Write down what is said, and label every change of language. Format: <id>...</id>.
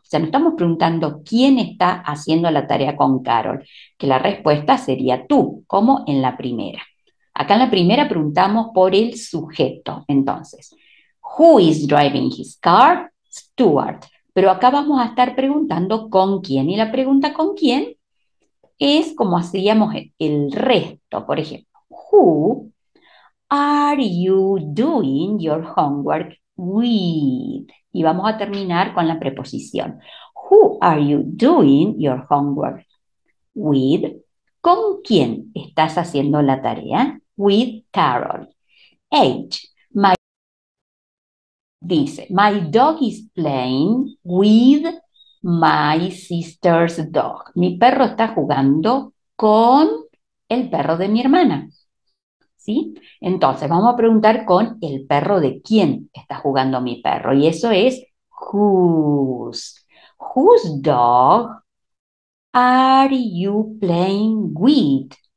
<es>O sea, no estamos preguntando quién está haciendo la tarea con Carol, que la respuesta sería tú, como en la primera. Acá en la primera preguntamos por el sujeto. Entonces,</es> <en>who is driving his car? Stuart.</en> <es>Pero acá vamos a estar preguntando con quién. Y la pregunta con quién es como hacíamos el resto. Por ejemplo,</es> <en>who are you doing your homework with?</en> <es>Y vamos a terminar con la preposición.</es> <en>Who are you doing your homework with?</en> <es>¿Con quién estás haciendo la tarea?</es> <en>With Carol.</en> <es>H.</es> <en>Dice, my dog is playing with my sister's dog.</en> <es>Mi perro está jugando con el perro de mi hermana. ¿Sí? Entonces, vamos a preguntar con el perro de quién está jugando mi perro. Y eso es,</es> <en>whose dog are you playing with?</en>